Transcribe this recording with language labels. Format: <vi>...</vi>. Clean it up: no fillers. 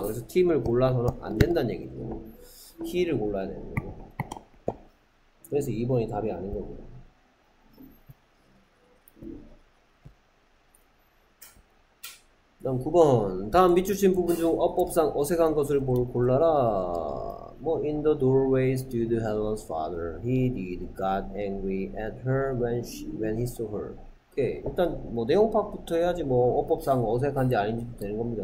<ko>그래서 팀을 골라서는 안 된다는 얘기죠. He를 골라야 되는 거죠. 그래서 2번이 답이 아닌 거고요. 다음 9번. 다음 미추신 부분 중 어법상 어색한 것을 골라라.</ko> <en>뭐 in the doorway stood Helen's father. He did got angry at her when he saw her. 오케이.</en> <ko>일단 뭐 내용 파악부터 해야지 뭐 어법상 어색한지 아닌지 되는 겁니다.</ko>